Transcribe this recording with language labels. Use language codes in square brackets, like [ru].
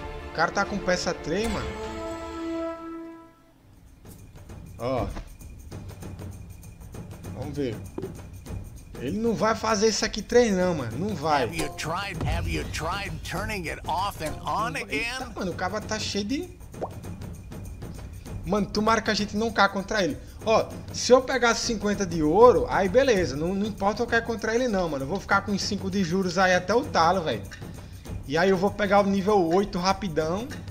[pt] O cara tá com peça 3, mano. Ó, vamos ver. Ele não vai fazer isso aqui três não, mano. Não vai. [en] Have you tried turning it off and on again? [pt] Eita, mano, o cara tá cheio de... Mano, tomara que a gente não caia contra ele. Ó, se eu pegar 50 de ouro, aí beleza. Não importa eu cair contra ele não, mano. Eu vou ficar com os 5 de juros aí até o talo, velho. E aí eu vou pegar o nível 8 rapidão.